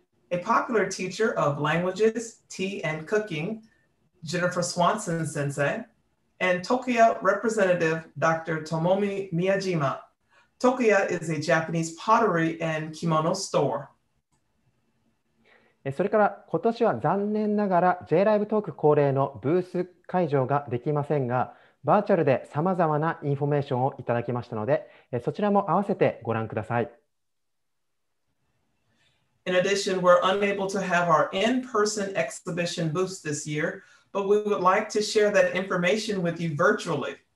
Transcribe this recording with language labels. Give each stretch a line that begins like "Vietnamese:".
English: A popular teacher of languages, tea, and cooking, Jennifer Swanson Sensei, and Tokyo representative Dr. Tomomi Miyajima. Tokyo is a Japanese pottery and kimono store.
Japanese: それから今年は残念ながら J ライブトーク恒例のブース会場ができませんが、バーチャルで様々なインフォメーションをいただきましたので、そちらも合わせてご覧ください。
English: In addition, we're unable to have our in-person exhibition booth this year, but we would like to share that information with you virtually.